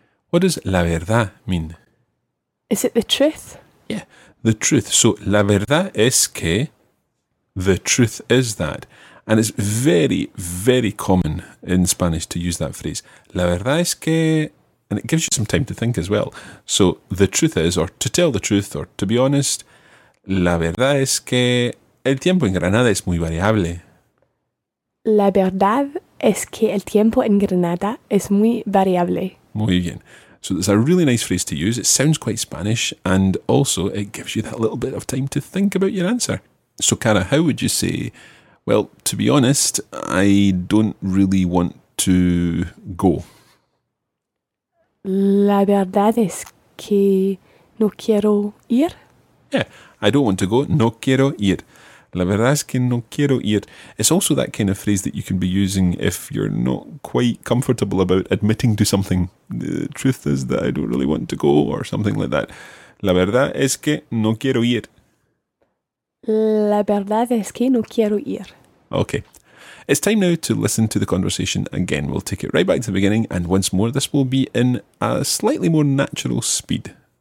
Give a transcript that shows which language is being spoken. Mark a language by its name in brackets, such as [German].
[English] What does [Spanish] la verdad [English] mean? Is it the truth? Yeah, the truth. So [Spanish] la verdad es que, [English] the truth is that. And it's very, very common in Spanish to use that phrase. [Spanish] La verdad es que. [English] And it gives you some time to think as well. So the truth is, or to tell the truth, or to be honest, [Spanish] la verdad es que el tiempo en Granada es muy variable. La verdad es que el tiempo en Granada es muy variable. Muy bien. [English] So that's a really nice phrase to use. It sounds quite Spanish, and also it gives you that little bit of time to think about your answer. So Cara, how would you say, well, to be honest, I don't really want to go. [Spanish] La verdad es que no quiero ir. [English] Yeah, I don't want to go. [Spanish] No quiero ir. La verdad es que no quiero ir. [English] It's also that kind of phrase that you can be using if you're not quite comfortable about admitting to something. The truth is that I don't really want to go, or something like that. [Spanish] La verdad es que no quiero ir. La verdad es que no quiero ir. [English] Okay. It's time now to listen to the conversation again. We'll take it right back to the beginning, and once more, this will be in a slightly more natural speed.